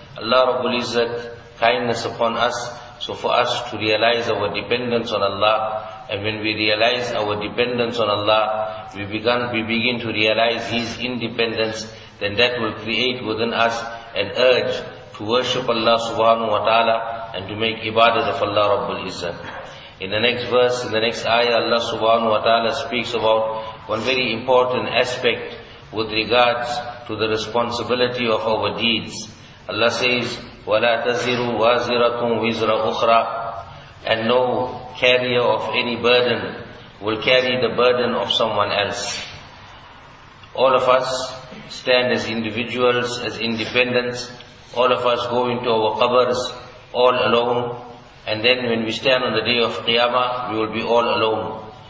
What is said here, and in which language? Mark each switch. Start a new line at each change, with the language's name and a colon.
English: Allah Rabbul Izzat, kindness upon us. So for us to realize our dependence on Allah, and when we realize our dependence on Allah, we begin to realize His independence, then that will create within us an urge to worship Allah subhanahu wa ta'ala and to make ibadah of Allah Rabbul Izzat. In the next verse, in the next ayah, Allah subhanahu wa ta'ala speaks about one very important aspect with regards to the responsibility of our deeds.
Arabic: Allah says, وَلَا تَزِرُوا وَازِرَةٌ وِزْرَ أُخْرَى.
English: And no carrier of any burden will carry the burden of someone else. All of us stand as individuals, as independents. All of us go into our qabrs all alone. And then when we stand on the day of Qiyamah, we will be all alone.